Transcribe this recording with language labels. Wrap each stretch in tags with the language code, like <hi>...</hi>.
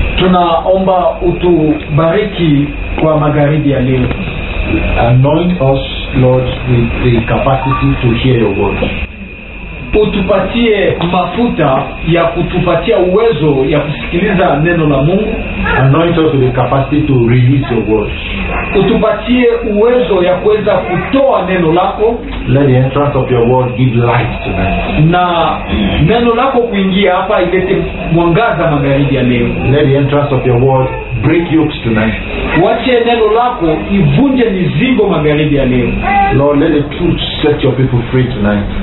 <sw>Tunaomba utubariki kwa magharibi ya leo.</sw> <en>Anoint us, Lord, with the capacity to hear your word.</en> <sw>Utupatie mafuta ya kutupatia uwezo ya kusikiliza neno la Mungu.</sw> <en>Anoint us with the capacity to release your word.</en> <sw>Utupatie uwezo ya kuweza kutoa neno lako.</sw> <en>Let the entrance of your word give light tonight.</en> <sw>Na neno lako kuingia hapa ilete mwangaza magharibi ya leo.</sw> <en>Let the entrance of your word break yokes tonight.</en> <sw>Wache neno lako ivunje mizigo magharibi ya leo.</sw> <en>Lord, let the truth set your people free tonight.</en>